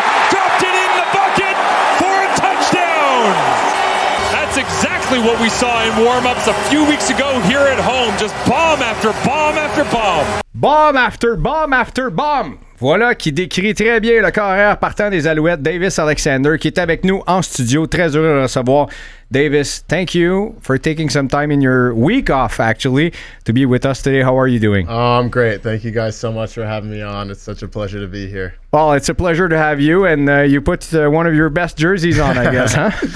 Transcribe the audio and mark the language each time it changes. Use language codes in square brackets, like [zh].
[en] Dropped it in the bucket for a touchdown! That's exactly what we saw in warm-ups a few weeks ago here at home. Just bomb after bomb after bomb. Bomb after bomb after bomb! [fr] Voilà qui décrit très bien le carrière partant des Alouettes, Davis Alexander, qui est avec nous en studio. Très heureux de le recevoir. [en] Davis, thank you for taking some time in your week off, actually, to be with us today. How are you doing? Oh, I'm great. Thank you guys so much for having me on. It's such a pleasure to be here. Well, it's a pleasure to have you, and you put one of your best jerseys on, I guess, huh?